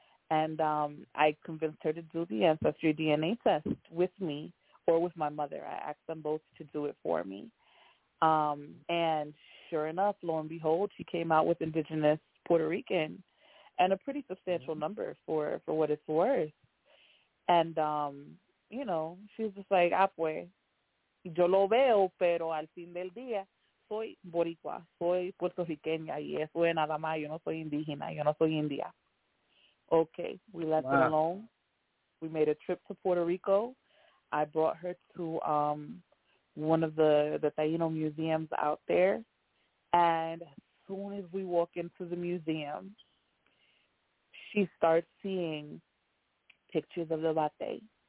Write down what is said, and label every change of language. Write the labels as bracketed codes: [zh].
[en] And I convinced her to do the ancestry DNA test with me or with my mother. I asked them both to do it for me. And sure enough, lo and behold, she came out with indigenous Puerto Rican and a pretty substantial mm-hmm. number for what it's worth. And, you know, she's just like, ah, [es] pues, yo lo veo, pero al fin del día, soy boricua, soy puertorriqueña, y eso es nada más, yo no soy indígena, yo no soy india. [en] Okay, we left wow. it alone. We made a trip to Puerto Rico. I brought her to one of the Taino museums out there. And as soon as we walk into the museum, she starts seeing pictures of the Bate.